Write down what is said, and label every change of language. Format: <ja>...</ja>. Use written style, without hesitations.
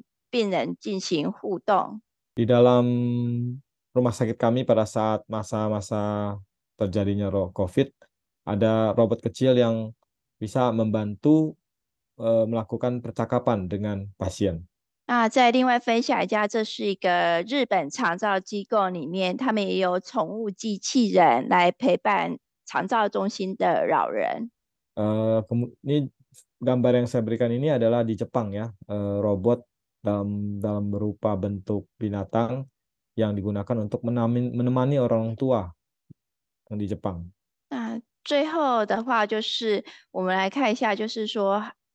<zh>那也有机器人来协助病，就是让家病人来去做复健的部分。那在疫情期间，我们医院有一台机器人，然后进入病室来跟病人进行互动。</zh> <id>Di dalam rumah sakit kami pada saat masa-masa terjadinya COVID, ada robot kecil yang bisa membantu melakukan percakapan dengan pasien.</id> <zh>那再另外分享一下，这是一个日本长照机构里面，他们也有宠物机器人来陪伴长照中心的老人。</zh> <id>Ini gambar yang saya berikan ini adalah di Jepang ya, robot dalam berupa bentuk binatang yang digunakan untuk menemani orang tua yang di Jepang.</id> <zh>那最后的话，就是我们来看一下，就是说。</zh>